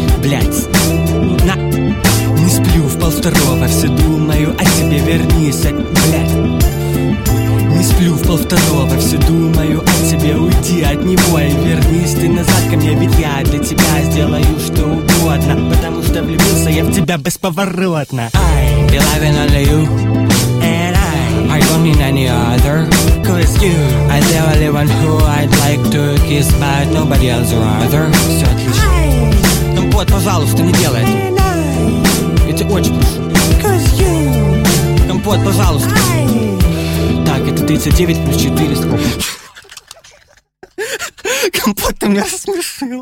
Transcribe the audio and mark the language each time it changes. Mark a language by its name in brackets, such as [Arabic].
[Russian] Блять, на... Не сплю в полвторого, все думаю о тебе, вернись, блядь. Не сплю в полвторого, все думаю о тебе, уйди от него и вернись ты назад ко мне. Ведь я для тебя сделаю что угодно, потому что влюбился я в тебя бесповоротно. [English] I be loving only you, and I don't need any other, cause you I the only one who I'd like to kiss, but nobody else rather. [Russian] Все отлично. Ну вот, пожалуйста, не делай это. Очень прошу. Компот, пожалуйста. Так, это 39 плюс 4. Компот, ты меня рассмешил.